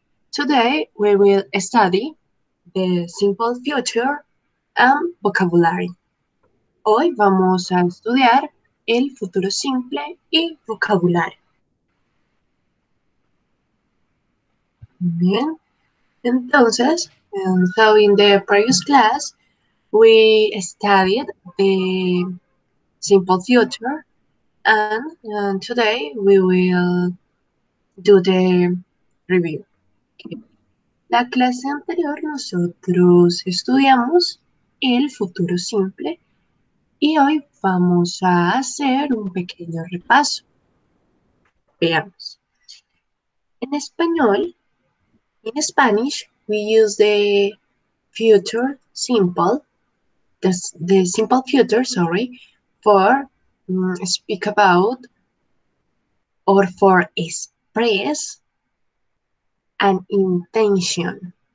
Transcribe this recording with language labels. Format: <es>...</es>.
<en>Today, we will study the simple future and vocabulary.</en> <es>Hoy vamos a estudiar el futuro simple y vocabulario. Bien, entonces,</es> <en>so in the previous class, we studied the simple future, and today we will do the review.</en> <es>La clase anterior, nosotros estudiamos el futuro simple y hoy vamos a hacer un pequeño repaso. Veamos. En español,</es> <en>in Spanish, we use the future simple, the simple future, sorry, for speak about or for express an intention.</en>